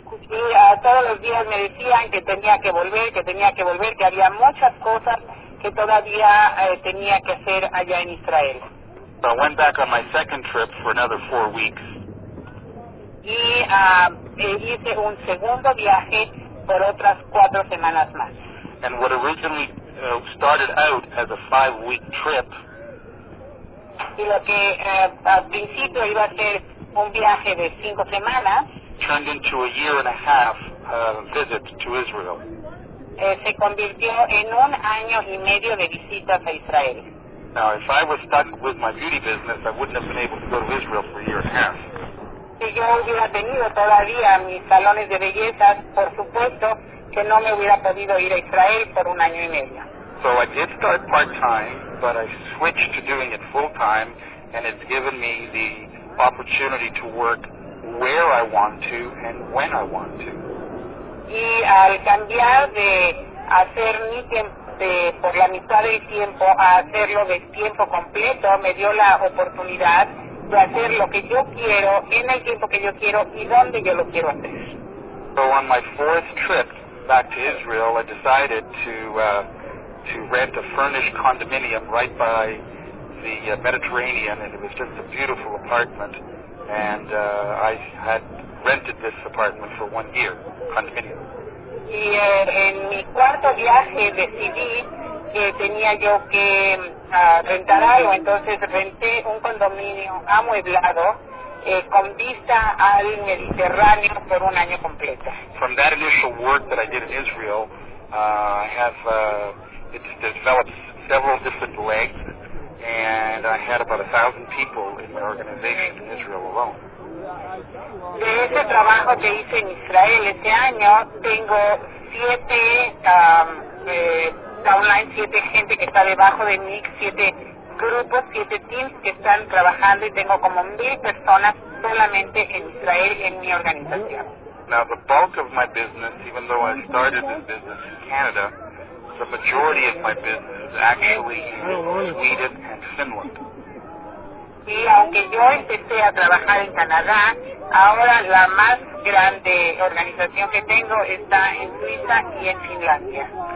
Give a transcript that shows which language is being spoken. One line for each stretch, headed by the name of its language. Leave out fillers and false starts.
Spanish: Y todos los días me decían que tenía que volver, que había muchas cosas que todavía tenía que hacer allá en Israel.
English: So I went back on my second trip for another 4 weeks.
Spanish: Y hice un segundo viaje por otras 4 semanas más.
English: And what originally started out as a 5 week trip.
Spanish: Y lo que al principio iba a ser un viaje de 5 semanas.
English: Turned into a year and a half visit to Israel.
Spanish: Se convirtió en un año y medio de visitas a Israel.
English: Now, if I was stuck with my beauty business, I wouldn't have been able to go to Israel for a year and a half.
Spanish: Si yo hubiera tenido todavía mis salones de belleza, por supuesto que no me hubiera podido ir a Israel por un año y medio.
English: So I did start part-time, but I switched to doing it full-time, and it's given me the opportunity to work where I want to and when I want to.
Spanish: Y al cambiar de hacer mi tiempo de por la mitad del tiempo a hacerlo de tiempo completo, me dio la oportunidad de hacer lo que yo quiero en el tiempo que yo quiero y donde yo lo quiero hacer.
English: So on my fourth trip back to Israel, I decided to rent a furnished condominium right by the Mediterranean, and it was just a beautiful apartment, and I had rented this apartment for 1 year, condominium.
Spanish: Y en mi cuarto viaje decidí que tenía yo que rentar algo, entonces renté un condominio amueblado con vista al Mediterráneo por un año completo.
English: From that initial work that I did in Israel, I have it's developed several different legs, and I had about 1,000 people in my organization in Israel alone.
Spanish: De ese trabajo que hice en Israel este año, tengo siete gente que está debajo de mí, siete grupos, siete teams que están trabajando, y tengo como 1,000 personas solamente en Israel en mi organización.
English: Now the bulk of my business, even though I started this business in Canada, the majority of my business is actually in Sweden and Finland.
Spanish: Y aunque yo empecé a trabajar en Canadá, ahora la más grande organización que tengo está en Suiza y en Finlandia.